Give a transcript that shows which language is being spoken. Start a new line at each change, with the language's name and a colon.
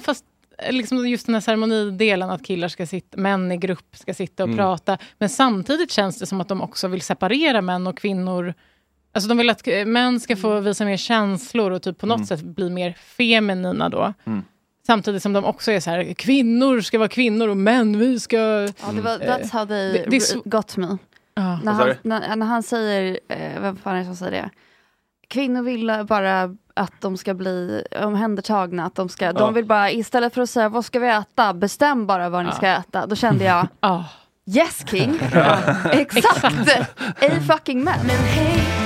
Swedish: Fast liksom just den här ceremonidelen, att killar ska sitta, män i grupp ska sitta och prata, men samtidigt känns det som att de också vill separera män och kvinnor. Alltså de vill att män ska få visa mer känslor och typ på något sätt bli mer feminina då. Samtidigt som de också är så här, kvinnor ska vara kvinnor och män, vi ska... Ja, det var,
English: that's how they got me.
Swedish: När han säger, vem fan är det som säger det? Kvinnor vill bara att de ska bli omhändertagna, att de ska, de vill bara, istället för att säga vad ska vi äta, bestäm bara vad ni ska äta. Då kände jag
English: yes king.
Swedish: Exakt.
English: A fucking man.
Swedish: Men hej